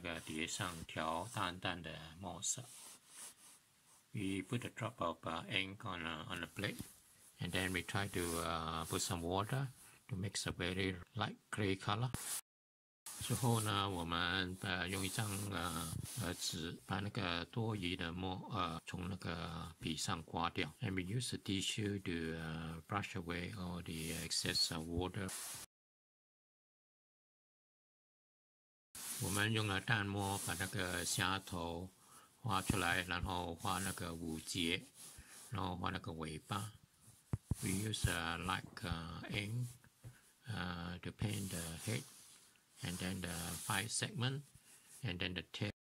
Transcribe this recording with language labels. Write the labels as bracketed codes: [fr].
[zh] 那我们先放一点墨在那个碟上，然后调一些水，再呢用那个笔在那个碟上调淡淡的墨色。 [en] We put a drop of ink on the plate, and then we try to put some water to make a very light gray color. [zh] 之后呢，我们用一张纸把那个多余的墨从那个笔上刮掉。 [en] And we use a tissue to brush away all the excess of water. [zh] 我们用了淡墨把那个虾头画出来，然后画那个五节，然后画那个尾巴。 [en] We use a ink to paint the head. And then the five segment, and then the tail.